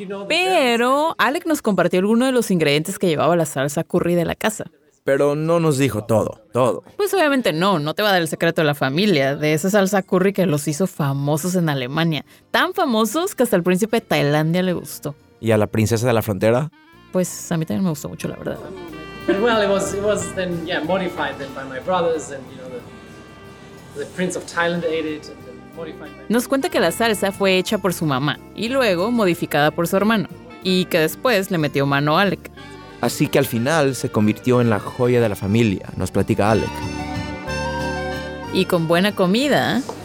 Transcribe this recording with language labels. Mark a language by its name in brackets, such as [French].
[Spanish] Pero Alec nos compartió alguno de los ingredientes que llevaba la salsa curry de la casa. Pero no nos dijo todo. Pues obviamente no te va a dar el secreto de la familia, de esa salsa curry que los hizo famosos en Alemania. Tan famosos que hasta el príncipe de Tailandia le gustó. ¿Y a la princesa de la frontera? Pues a mí también me gustó mucho, la verdad. [English] Well, it was then, yeah, modified then by my brothers and, you know, the prince of Thailand ate it and then modified. [Spanish] Nos cuenta que la salsa fue hecha por su mamá y luego modificada por su hermano y que después le metió mano a Alec. Así que al final se convirtió en la joya de la familia, nos platica Alec. Y con buena comida.